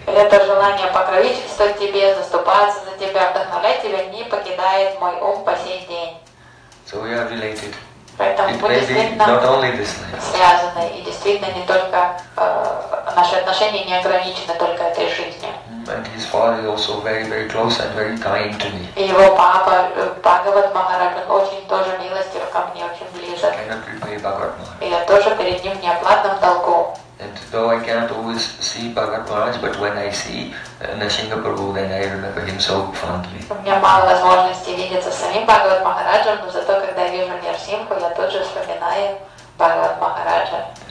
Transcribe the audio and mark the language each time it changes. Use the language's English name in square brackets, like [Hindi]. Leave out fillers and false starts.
[Russian] Это желание покровительствовать тебе, заступаться за тебя, вдохновлять тебя не покидает мой ум по сей день. [English] So we are related. [Russian] Поэтому [English] it may be not only this [Russian] связаны и действительно не только наши отношения не ограничены только этой жизнью. [English] And his father is also very, very close and very kind to me. [Russian] Его папа Бхагават Махарадж очень тоже милостив ко мне, очень близок. [English] I cannot repay Bhagavat Maharaj. [Russian] И я тоже перед ним в неоплатном долгу. [English] And though I cannot always see Bhagavat Maharaj, but when I see Nishinga Prabhu, then I remember him so fondly. [Russian] У меня мало возможности видеться с самим Бхагават Махараджем, но зато когда я вижу Нарсимху, я тут же вспоминаю Бхагават Махараджа.